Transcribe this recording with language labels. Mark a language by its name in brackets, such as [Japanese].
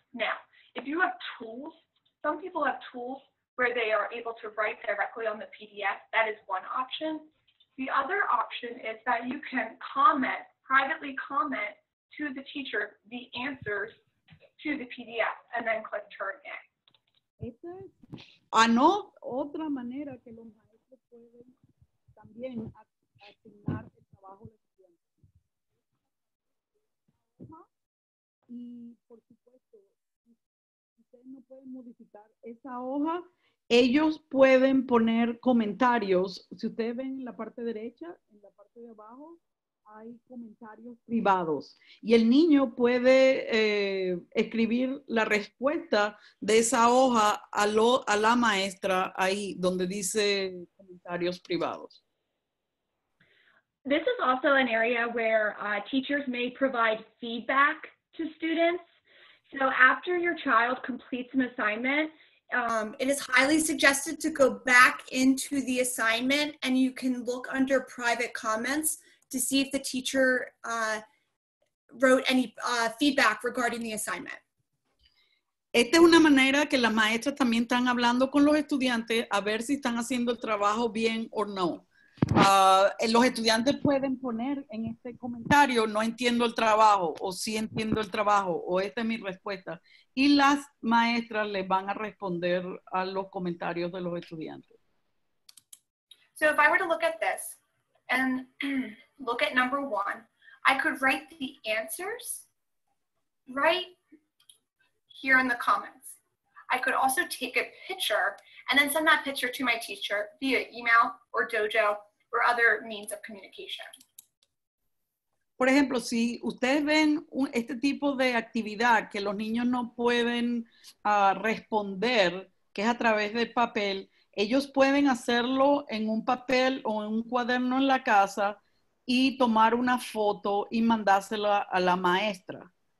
[English] Now, if you have tools, some people have tools where they are able to write directly on the PDF. That is one option. The other option is that you can comment, privately comment to the teacher the answers to the PDF and then click turn in. [Spanish] Esta es otra manera que los maestros pueden también asignar el trabajo al estudiante. Y por supuesto, ustedes no pueden modificar esa hoja. Ellos pueden poner comentarios. Si ustedes ven en la parte derecha, en la parte de abajo, hay comentarios privados. Y el niño puede escribir la respuesta de esa hoja a la maestra ahí, donde dice comentarios privados. [English] This is also an area where teachers may provide feedback to students. So after your child completes an assignment, it is highly suggested to go back into the assignment and you can look under private comments to see if the teacher wrote any feedback regarding the assignment. [Spanish] Esta es una manera que las maestras también están hablando con los estudiantes a ver si están haciendo el trabajo bien o no. Los estudiantes pueden poner en este comentario, no entiendo el trabajo, o sí entiendo el trabajo, o esta es mi respuesta. Y las maestras les van a responder a los comentarios de los estudiantes. [English] So if I were to look at this, and look at number one, I could write the answers right here in the comments. I could also take a picture and then send that picture to my teacher via email or Dojo or other means of communication. [Spanish] Por ejemplo, si ustedes ven este tipo de actividad que los niños no pueden responder, que es a través del papel, ellos pueden hacerlo en un papel o en un cuaderno en la casa y tomar una foto y mandársela a la maestra.